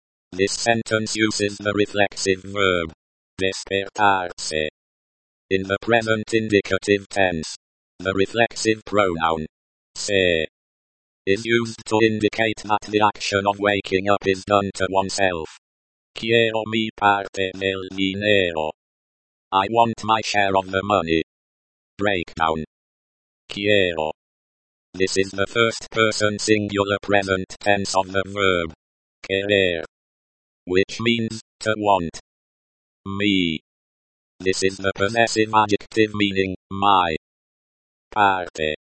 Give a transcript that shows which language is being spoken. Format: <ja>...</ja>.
<en>This sentence uses the reflexive verb, despertarse. In the present indicative tense, the reflexive pronoun, se. is used to indicate that the action of waking up is done to oneself.</en> <es>Quiero mi parte del dinero.</es> <en>I want my share of the money. Breakdown. Quiero. This is the first person singular present tense of the verb. Querer. Which means, to want. Mi. This is the possessive adjective meaning, my. Parte.</en>